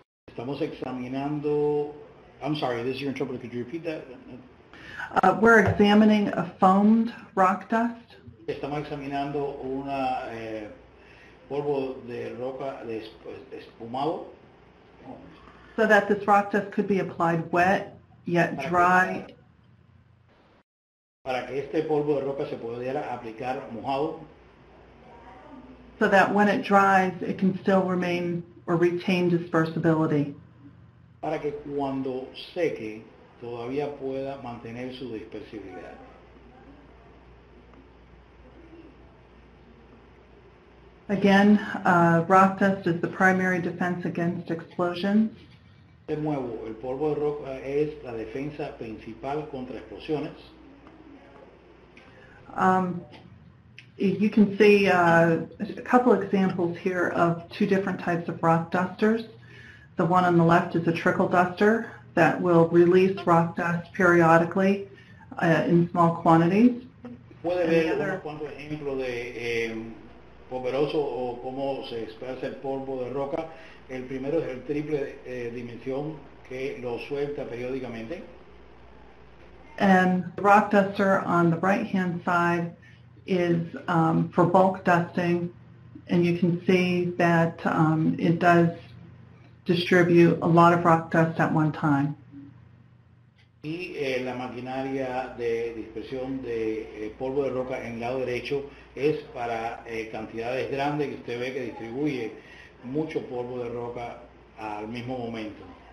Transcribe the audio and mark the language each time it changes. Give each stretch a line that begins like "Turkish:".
Spanish: Estamos examinando,
English: I'm sorry, this is your interpreter, could you repeat that? We're examining a foamed rock dust.
Spanish: Estamos examinando una polvo de roca de espumado.
English: So that this rock dust could be applied wet, yet dry.
Spanish: para que este polvo de roca se pudiera aplicar mojado.
English: So that when it dries, it can still remain or retain dispersibility.
Spanish: Para que cuando seque, todavía pueda mantener su dispersibilidad.
English: Again, rock dust is the primary defense against explosions.
Spanish: De nuevo, el polvo de roca es la defensa principal contra explosiones.
English: You can see a couple examples here of two different types of rock dusters. The one on the left is a trickle duster that will release rock dust periodically in small quantities.
Spanish: Puede ver otro ejemplo de poderoso o cómo se expresa el polvo de roca. El primero es el triple dimensión que lo suelta periódicamente.
English: And the rock duster on the right-hand side is for bulk dusting, and you can see that it does distribute a lot of rock dust at one time.
Spanish: Y la maquinaria de dispersión de polvo de roca en el lado derecho es para cantidades grandes que usted ve que distribuye mucho polvo de roca al mismo momento.